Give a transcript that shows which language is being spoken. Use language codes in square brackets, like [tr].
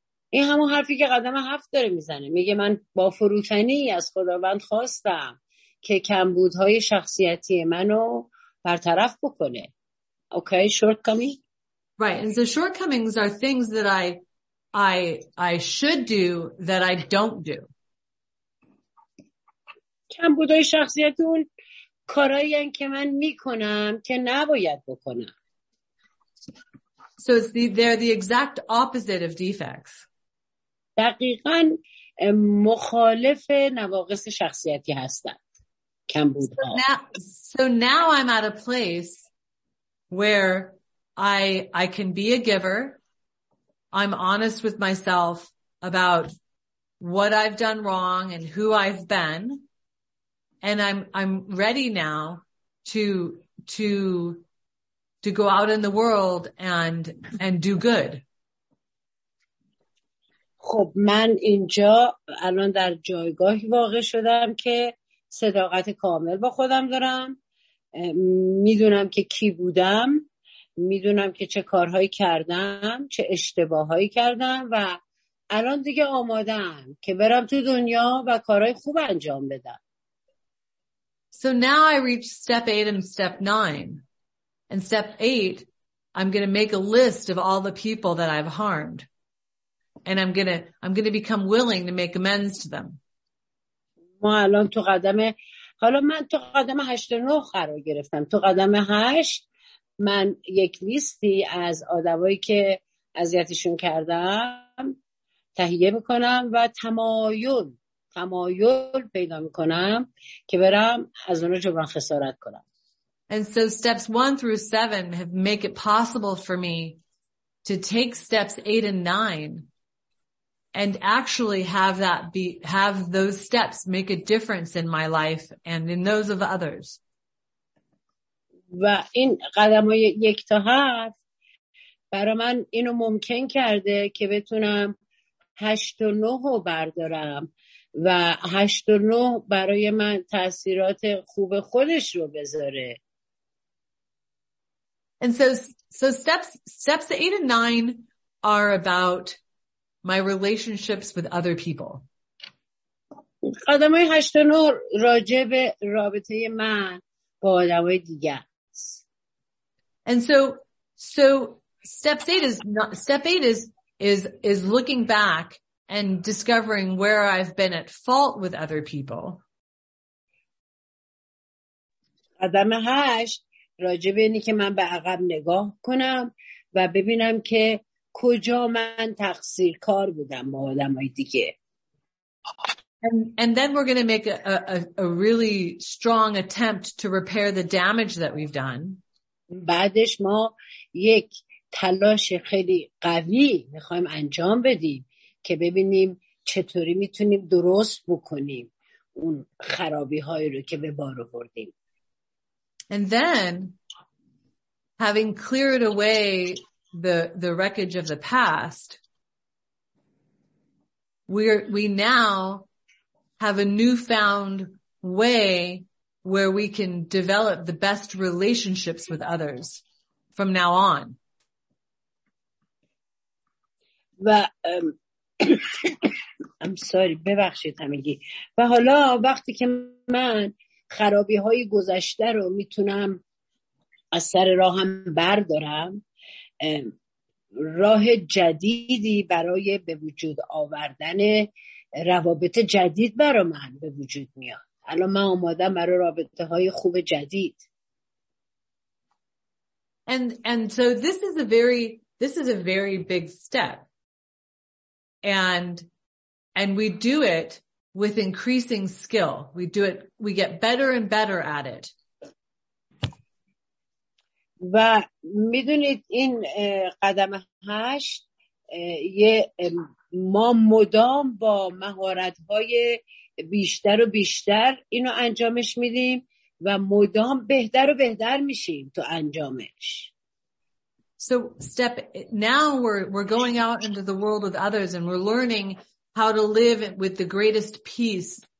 [fa] این همون حرفی که قدم هفت داره میزنه، میگه من با فروتنی از خداوند خواستم که کمبودهای شخصیتی منو برطرف بکنه. اوکی، shortcoming. [en] Right, and so shortcomings are things that I should do that I don't do. [fa] کمبودهای شخصیتی اون کارهایی هن که من میکنم که نباید بکنم. [en] So they're the exact opposite of defects. [fa] دقیقاً مخالف نواقص شخصیتی هستند. کمبودها. [en] So now I'm at a place where I can be a giver. I'm honest with myself about what I've done wrong and who I've been, and I'm ready now to go out in the world and do good. [fa] خب من اینجا الان در جایگاهی واقع شدم که صداقت کامل با خودم دارم، میدونم که کی بودم، میدونم که چه کارهایی کردم، چه اشتباهایی کردم و الان دیگه آمادم که برم تو دنیا و کارهای خوب انجام بدم. [en] So now I reach step 8 and step 9. And step 8, I'm going to make a list of all the people that I've harmed. And I'm gonna become willing to make amends to them. [fa] ما الان تو قدمه، حالا من تو قدم 8 و 9 قرار گرفتم. تو قدم 8 من یک لیستی از آدمایی که اذیتشون کردم تهیه میکنم و تمایل پیدا میکنم که برم از اونها جبران خسارت کنم. [en] And so steps 1 through 7 have make it possible for me to take steps 8 and 9 and actually have those steps make a difference in my life and in those of others. [fa] و این قدمای 1 تا 7 برای من اینو ممکن کرده که بتونم 8 و 9 رو بردارم و 8 و 9 برای من تاثیرات خوب خودش رو بذاره. [en] And so steps 8 and 9 are about my relationships with other people. [fa] قدم 8 و 9 راجع به رابطه من با آدمای دیگه است. [en] And so step 8 is looking back and discovering where I've been at fault with other people. [fa] قدم 8 راجع به اینی که من به عقب نگاه کنم و ببینم که کجا من تقصیر کار بودم با آدمای دیگه. [en] And then we're going to make a really strong attempt to repair the damage that we've done. [fa] بعدش ما یک تلاش خیلی قوی میخوایم انجام بدیم که ببینیم چطوری میتونیم درست بکنیم اون خرابی هایی رو که به بار آوردیم. [en] And then having cleared away the wreckage of the past, we now have a newfound way where we can develop the best relationships with others from now on. I'm sorry, [fa] ببخشید همگی. و حالا وقتی که من خرابی های گذشته رو میتونم از سر راهم بردارم، راه جدیدی برای به وجود آوردن روابط جدید برای من به وجود میاد. الان من آمادم برای رابطه های خوب جدید. [en] And so this is a very big step. And we do it with increasing skill. We get better and better at it. [fa] و میدونید این قدم 8 یه ما مدام با مهارت‌های بیشتر و بیشتر اینو انجامش میدیم و مدام بهتر و بهتر میشیم تو انجامش. [en] So step now we're going out into the world with others and we're learning how to live with the greatest peace